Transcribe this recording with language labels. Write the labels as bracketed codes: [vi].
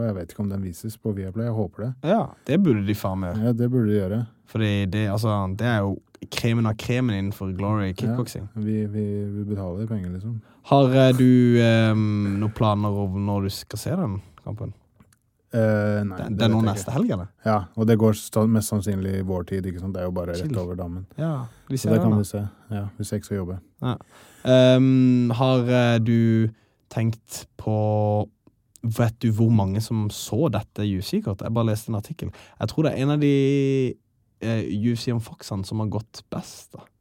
[sv] Jag vet inte om den visas på Viaplay, jag hoppas det. Ja, det borde de fan med. Ja, det borde de göra. För det alltså det är ju kremen av kremen inför Glory kickboxing. Ja, vi betalar de pengar liksom. Har du några planer om när du ska se den kampen? [no] Nei, det er noen neste helg, eller? Ja, og det går mest sannsynlig i vår tid, ikke sant? Det er jo bare chill. Rett over dammen. Ja, vi ser det kan da. Vi se. Ja, hvis jeg ikke skal jobbe. Ja. Har du tenkt på, vet du hvor mange som så dette UFC-kortet? Jeg bare leste en artikkel. Jeg tror det er en av de UFC om Foxene som har gått best, da.